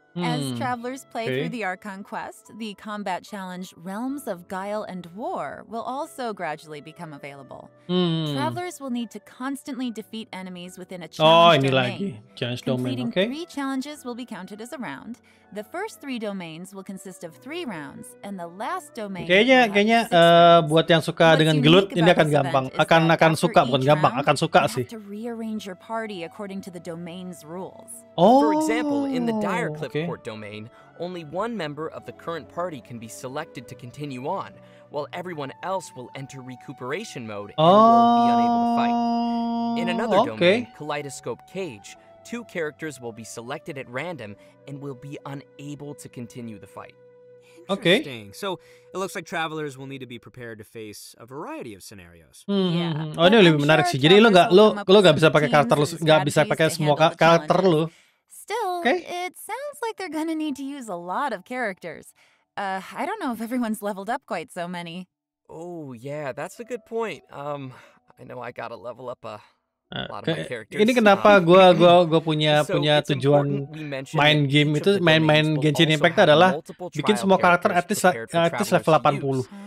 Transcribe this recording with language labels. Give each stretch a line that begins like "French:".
English: As travelers play through the Archon Quest, the combat challenge Realms of Guile and War will also gradually become available. Travelers will need to constantly defeat enemies within a challenge domain.
Indonesian: Oh, ini lagi.
English: Challenge domain, completing three challenges will be counted as a round. The first three domains will consist of three rounds, and the last domain
Indonesian: kayaknya buat yang suka dengan gelut ini akan gampang. Akan suka, bukan gampang, akan suka sih.
English: You have to rearrange your party according to the domain's rules. Oh, for example, in the Dire Clip Port domain, only one member of the current party can be selected to continue on, while everyone else will enter recuperation mode and will be unable to fight. In another domain, Kaleidoscope Cage, two characters will be selected at random and will be unable to continue the fight. Interesting. Okay. So it looks like travelers will need to be prepared to face a variety of scenarios.
Indonesian: Yeah. Oh, ini lebih menarik sih. Jadi lo nggak bisa pakai karakter lo, nggak bisa pakai semua karakter lo.
English: Still, it sounds like they're gonna need to use a lot of characters. I don't know if everyone's leveled up quite so many. Oh yeah, that's a good point. I know I gotta level up a lot of my characters.
Indonesian: Ini kenapa gue punya tujuan main game itu main Genshin Impact adalah bikin semua karakter
English: at least level 80.